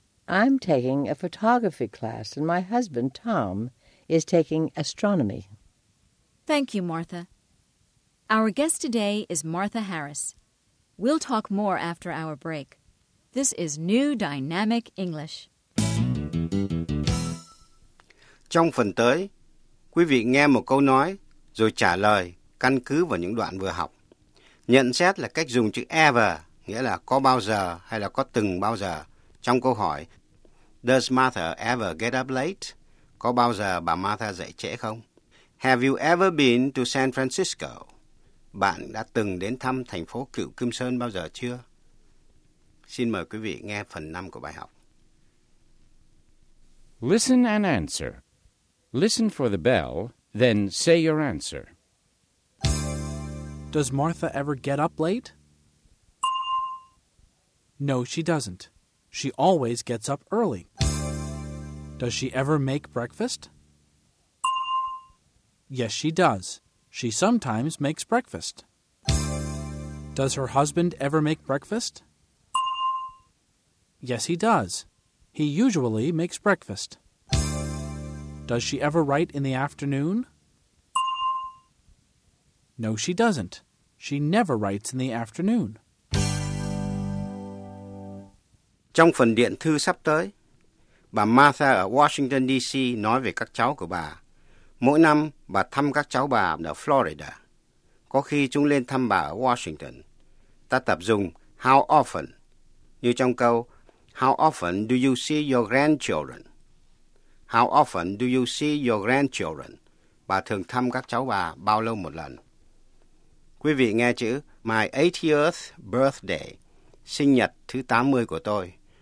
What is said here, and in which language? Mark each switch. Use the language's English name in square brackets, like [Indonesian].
[English] I'm taking a photography class, and my husband, Tom, is taking astronomy. Thank you, Martha. Our guest today is Martha Harris. We'll talk more after our break. This is New Dynamic English. [Vietnamese] Trong phần tới, quý vị nghe một câu nói rồi trả lời căn cứ vào những đoạn vừa học. Nhận xét là cách dùng chữ ever, nghĩa là có bao giờ hay là có từng bao giờ, trong câu hỏi [English] Does Martha ever get up late? [Vietnamese] Có bao giờ bà Martha dậy trễ không? [English] Have you ever been to San Francisco? [Vietnamese] Bạn đã từng đến thăm thành phố Cựu Kim Sơn bao giờ chưa? Xin mời quý vị nghe phần 5 của bài học. [English] Listen and answer. Listen for the bell, then say your answer. Does Martha ever get up late? No, she doesn't. She always gets up early. Does she ever make breakfast? Yes, she does. She sometimes makes breakfast. Does her husband ever make breakfast? Yes, he does. He usually makes breakfast. Does she ever write in the afternoon? No, she doesn't. She never writes in the afternoon. [Vietnamese] Trong phần điện thư sắp tới, bà Martha ở Washington, D.C. nói về các cháu của bà. Mỗi năm, bà thăm các cháu bà ở Florida. Có khi chúng lên thăm bà ở Washington. Ta tập dùng how often, như trong câu [English] How often do you see your grandchildren? How often do you see your grandchildren? [Vietnamese] Bà thường thăm các cháu bà bao lâu một lần? Quý vị nghe chữ [English] My 80th birthday, [Vietnamese] sinh nhật thứ 80 của tôi.